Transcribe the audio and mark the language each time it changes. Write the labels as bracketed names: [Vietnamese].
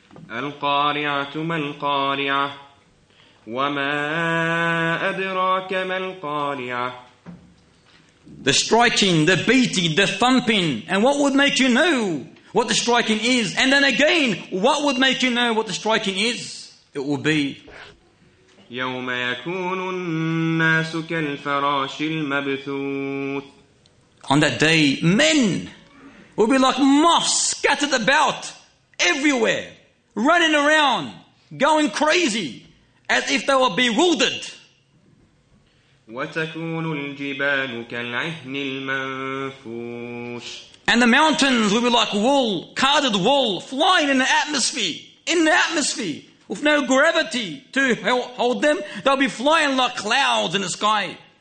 [Arabic] Al-Qari'atu mal-Qari'ah, wa ma adraka mal-Qari'ah. [English] The striking, the beating, the thumping, and what would make you know what the striking is? And then again, what would make you know what the striking is? It will be [Arabic] يوم يكون الناس كالفراش المبثوث. [English] On that day, men will be like moths scattered about everywhere, running around, going crazy, as if they were bewildered. [Arabic] وتكون الجبال كالعهن المنفوش. [English] And the mountains will be like wool, carded wool, flying in the atmosphere, with no gravity to hold them, they'll be flying like clouds in the sky.